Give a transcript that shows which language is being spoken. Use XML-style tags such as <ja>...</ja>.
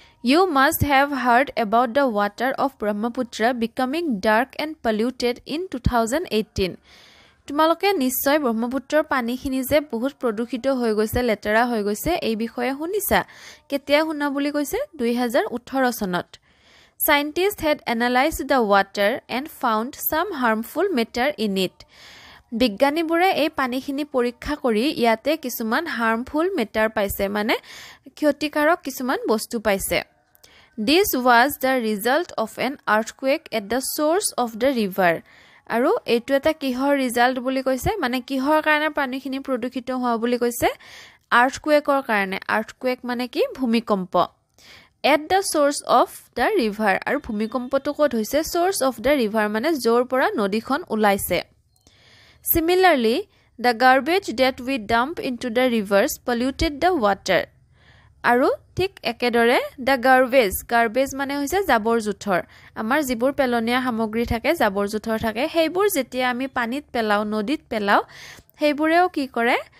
<en>You must have heard about the water of Brahmaputra becoming dark and polluted in 2018।</en> <as>তোমালোকে নিশ্চয় ব্ৰহ্মপুত্ৰৰ পানীখিনি যে বহুত প্ৰদূষিত হৈ গৈছে, লেতেৰা হৈ গৈছে, এই বিষয়ে শুনিছা। কেতিয়া শুনা বুলি কৈছে? 2018 চনত।</as> <en>Scientists had analyzed the water and found some harmful matter in it.</en> <as>বিজ্ঞানীবোৰে এই পানীখিনি পৰীক্ষা কৰি ইয়াতে কিছুমান হাৰ্মফুল মেটাৰ পাইছে, মানে ক্ষতিকাৰক কিছুমান বস্তু পাইছে।</as> <en>This was the result of an earthquake at the source of the river.</en> <as>আৰু এইটো এটা কিহৰ ৰিজাল্ট বুলি কৈছে, মানে কিহৰ কাৰণে পানীখিনি প্ৰদূষিত হোৱা বুলি কৈছে? আৰ্থকুৱেকৰ কাৰণে। আৰ্থকুৱেক মানে কি? ভূমিকম্প।</as> <en>at the church of the river,</en> <as>আৰু ভূমিকম্পটো ক'ত হৈছে? চ'ৰ্চ অফ দ্য ৰিভাৰ মানে য'ৰ পৰা নদীখন ওলাইছে।</as> <en>similarly the garbage that we dump into the rivers polluted the water,</en> <as>আৰু ঠিক একেদৰে দ্য গাৰ্বেজ, গাৰ্বেজ মানে হৈছে জাবৰ জোঁথৰ, আমাৰ যিবোৰ পেলনীয়া সামগ্ৰী থাকে, জাবৰ জোঁথৰ থাকে, সেইবোৰ যেতিয়া আমি পানীত পেলাওঁ, নদীত পেলাওঁ, সেইবোৰেও কি কৰে?</as>